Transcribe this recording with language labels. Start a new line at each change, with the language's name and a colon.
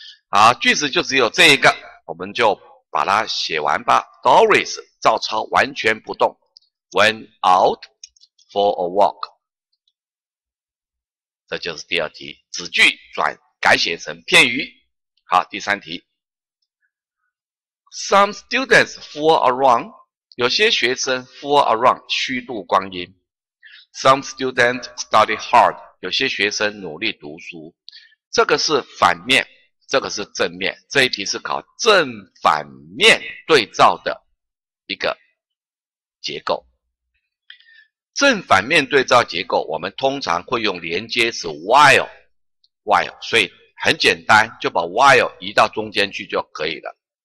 Chinese: 好，句子就只有这一个，我们就把它写完吧。 Doris 照抄完全不动，
English: went out for a walk，
Chinese: 这就是第二题，子句转改写成片语。
English: 好，第三题， Some students fool around，
Chinese: 有些学生
English: fool around
Chinese: 虚度光阴。
English: Some students study hard，
Chinese: 有些学生努力读书，这个是反面，这个是正面，这一题是考正反面对照的一个结构。正反面对照结构，我们通常会用连接词 while， 所以很简单，就把 while 移到中间去就可以了。